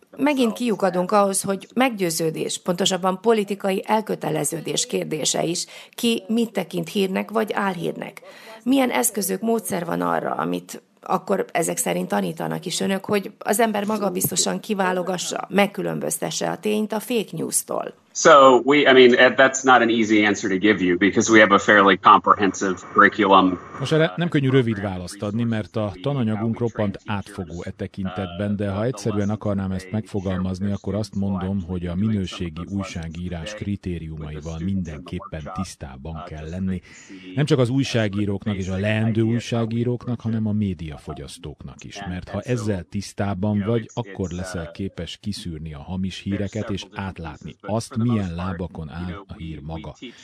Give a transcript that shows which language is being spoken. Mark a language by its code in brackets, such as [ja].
[hu] Megint kiukadunk ahhoz, hogy meggyőződés, pontosabban politikai elköteleződés kérdése is, ki mit tekint hírnek vagy álhírnek. Milyen eszközök, módszer van arra, amit akkor ezek szerint tanítanak is önök, hogy az ember maga biztosan kiválogassa, megkülönböztesse a tényt a fake news-tól. [en] So we, I mean, that's not an easy answer to give you because we have a fairly comprehensive curriculum. [hu] Most erre nem könnyű rövid választ adni, mert a tananyagunk roppant átfogó e tekintetben, de ha egyszerűen akarnám ezt megfogalmazni, akkor azt mondom, hogy a minőségi újságírás kritériumaival mindenképpen tisztában kell lenni. Nem csak az újságíróknak és a leendő újságíróknak, hanem a médiafogyasztóknak is, mert ha ezzel tisztában vagy, akkor leszel képes kiszűrni a hamis híreket és átlátni azt, milyen lábakon áll a hír maga.